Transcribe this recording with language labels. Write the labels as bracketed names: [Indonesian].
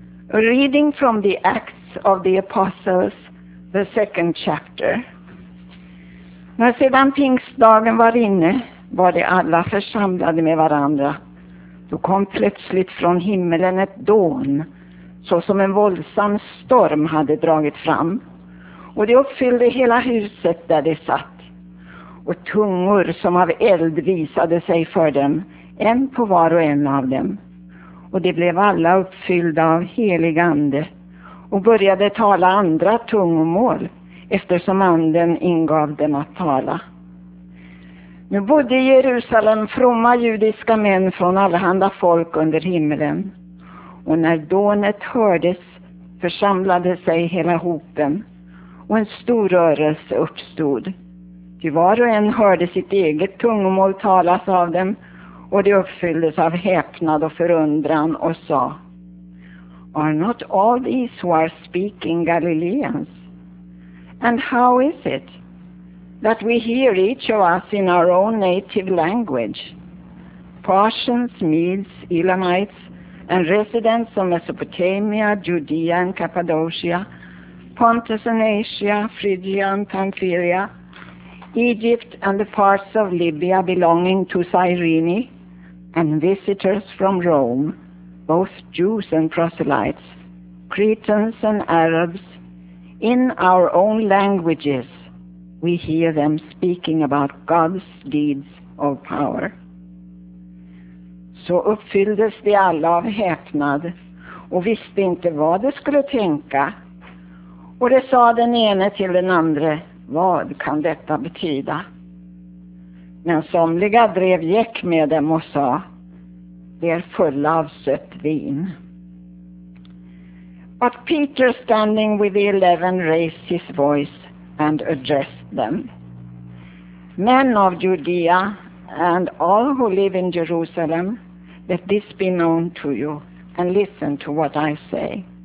[English] A reading from the Acts of the Apostles, the second chapter. [Swedish] När sedan pingstdagen var inne var de alla församlade med varandra. Då kom plötsligt från himmelen ett dån, så som en våldsam storm hade dragit fram. Och det uppfyllde hela huset där de satt. Och tungor som av eld visade sig för dem, en på var och en av dem. Och de blev alla uppfyllda av helig ande och började tala andra tungomål eftersom anden ingav dem att tala. Nu bodde i Jerusalem fromma judiska män från allehanda folk under himlen. Och när dånet hördes församlade sig hela hopen och en stor rörelse uppstod. Ty var och en hörde sitt eget tungomål talas av dem. Och det uppfylldes av häpnad och förundran och sa: [English] Are not all these who are speaking Galileans? And how is it that we hear each of us in our own native language? Parthians, Medes, Elamites, and residents of Mesopotamia, Judea and Cappadocia, Pontus and Asia, Phrygia and Pamphylia, Egypt and the parts of Libya belonging to Cyrene, and visitors from Rome, both Jews and proselytes, Cretans and Arabs, in our own languages, we hear them speaking about God's deeds of power. [Swedish] Så uppfylldes de alla av häpnad och visste inte vad de skulle tänka. Och det sa den ene till den andra, vad kan detta betyda? Men somliga drev gäck med dem och sa: Det är fulla av sött vin. [English] But Peter, standing with the 11, raised his voice and addressed them. Men of Judea and all who live in Jerusalem, let this be known to you and listen to what I say.